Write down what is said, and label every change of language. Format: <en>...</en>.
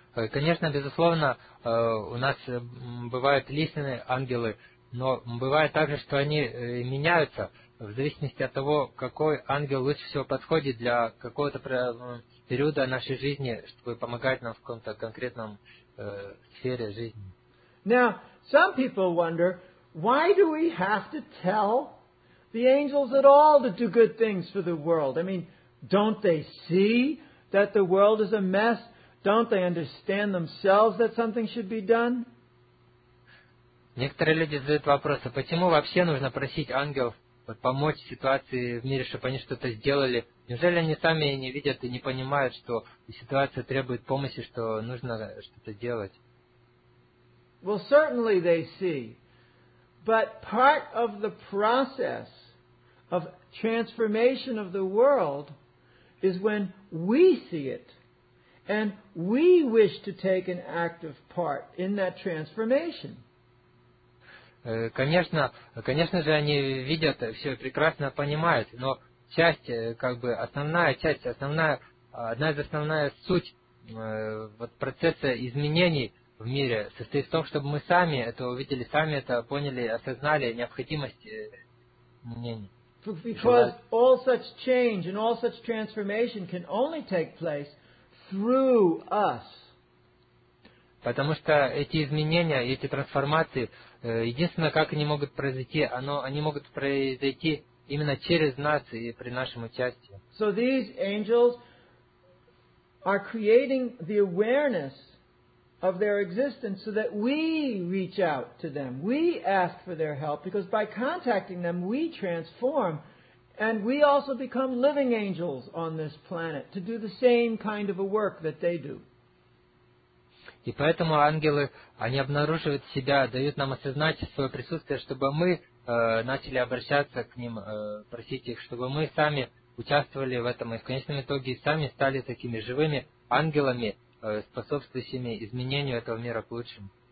<ru>Конечно, безусловно, у нас бывают личные ангелы, но бывает также, что они меняются в зависимости от того, какой ангел лучше всего подходит для какого-то периода нашей жизни, чтобы помогать нам в каком-то конкретном сфере жизни.</ru> <en>Now, some people wonder, why do we have to tell the angels at all to do good things for the world? I mean, don't they see that the world is a mess? Don't they understand themselves that something should be done?</en> <ru>Некоторые люди задают вопрос, а почему вообще нужно просить ангелов помочь ситуации в мире, чтобы они что-то сделали? Неужели они сами не видят и не понимают, что ситуация требует помощи, что нужно что-то делать?</ru> <en>Well, certainly they see. But part of the process of transformation of the world is when we see it and we wish to take an active part in that transformation.</en> <ru>Конечно же, они видят все и прекрасно понимают, но часть, как бы основная часть, основная, одна из основных суть вот процесса изменений в мире состоит в том, чтобы мы сами это увидели, сами это поняли, осознали необходимость изменений.</ru> <en>Because all such change and all such transformation can only take place through us.</en> <ru>Потому что эти изменения, эти трансформации, единственное, как они могут произойти, они могут произойти именно через нас и при нашем участии.</ru> <en>So these angels are creating the awareness of their existence so that we reach out to them. We ask for their help, because by contacting them, we transform and we also become living angels on this planet to do the same kind of a work that they do.</en> <ru>И поэтому ангелы, они обнаруживают себя, дают нам осознать свое присутствие, чтобы мы начали обращаться к ним, просить их, чтобы мы сами участвовали в этом и в конечном итоге сами стали такими живыми ангелами, способствующими изменению этого мира к лучшему.</ru>